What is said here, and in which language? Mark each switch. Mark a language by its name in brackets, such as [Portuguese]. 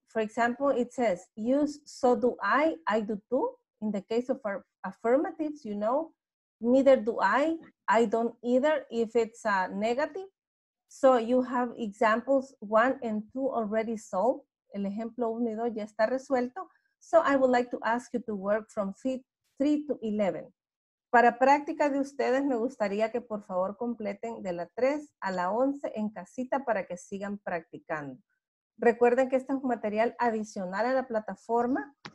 [English] For example, it says, use so do I do too. In the case of our affirmatives, you know, neither do I don't either if it's a negative. So you have examples 1 and 2 already solved. [Spanish] El ejemplo uno y dos ya está resuelto. [English] So I would like to ask you to work from 3 to 11. [Spanish] Para práctica de ustedes, me gustaría que por favor completen de la 3 a la 11 en casita para que sigan practicando. Recuerden que este es un material adicional a la plataforma.